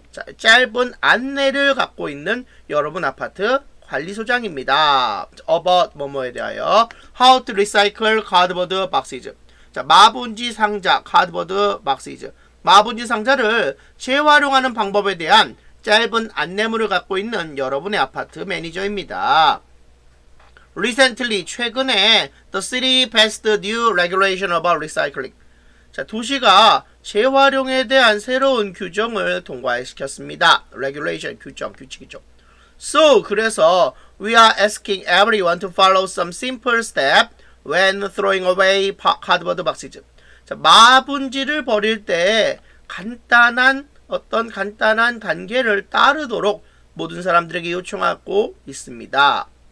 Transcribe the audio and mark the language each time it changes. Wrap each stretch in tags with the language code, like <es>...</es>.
<ko>자, 짧은 안내를 갖고 있는 여러분 아파트 관리소장입니다.</ko> <en>About</en> <ko>뭐뭐에 대하여.</ko> <en>How to recycle cardboard boxes.</en> <ko>자, 마분지 상자,</ko> <en>cardboard boxes.</en> <ko>마분지 상자를 재활용하는 방법에 대한 짧은 안내문을 갖고 있는 여러분의 아파트 매니저입니다.</ko> <en>Recently,</en> <ko>최근에</ko> <en>The City passed new regulation about recycling.</en> <ko>자, 도시가 재활용에 대한 새로운 규정을 통과시켰습니다.</ko> <en>Regulation,</en> <ko>규정, 규칙이죠.</ko> <en>So,</en> <ko>그래서</ko> <en>We are asking everyone to follow some simple step when throwing away cardboard boxes.</en> <ko>자, 마분지를 버릴 때 간단한 어떤 간단한 단계를 따르도록 모든 사람들에게 요청하고 있습니다.</ko>